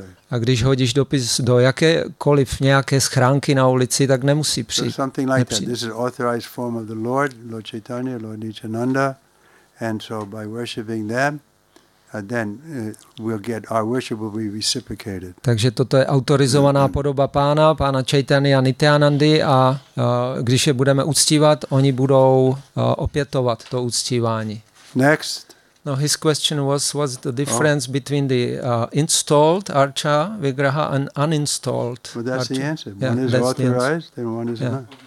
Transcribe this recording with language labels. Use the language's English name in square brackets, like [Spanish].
[Czech] A když hodíš dopis do jakékoliv nějaké schránky na ulici, tak nemusí přijít. [English] This is authorized form of the Lord, Lord Chaitanya, Lord Nityananda, and so by worshiping them, then we'll get our worship will be reciprocated. [Czech] Takže toto je autorizovaná podoba pána Chaitanya Nityanandy a když je budeme uctívat, oni budou opětovat to uctívání. [English] Next. No, his question was, what's the difference between the installed Archa Vigraha and uninstalled? Well, that's Archa. The answer. Yeah, one is authorized, the and one is not.